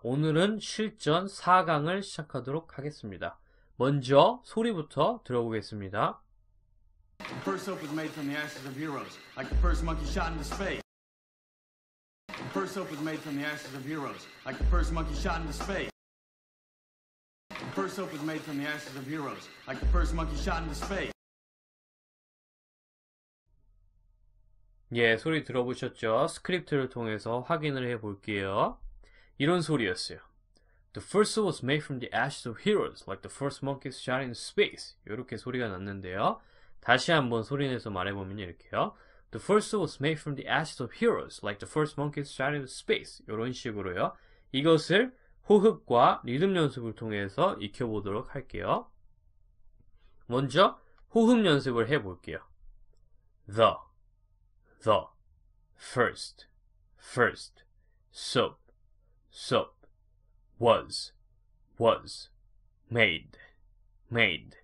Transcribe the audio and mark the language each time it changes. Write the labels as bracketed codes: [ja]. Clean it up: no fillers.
[ko] 오늘은 실전 4강을 시작하도록 하겠습니다. 먼저 소리부터 들어보겠습니다. [en] First hope was made from the ashes of heroes, like the first monkey shot into space. First hope was made from the ashes of heroes, like the first monkey shot into space. First hope was made from the ashes of heroes, like the first monkey shot into space. [ko] 예, 소리 들어보셨죠? 스크립트를 통해서 확인을 해볼게요. 이런 소리였어요. [en] The first was made from the ashes of heroes, like the first monkey shot in space. [ko] 이렇게 소리가 났는데요. 다시 한번 소리내서 말해보면 이렇게요. [en] The first was made from the ashes of heroes, like the first monkey shot in space. [ko] 이런 식으로요. 이것을 호흡과 리듬 연습을 통해서 익혀보도록 할게요. 먼저 호흡 연습을 해볼게요. [en] The first, first, soap, soap, was, was, made, made.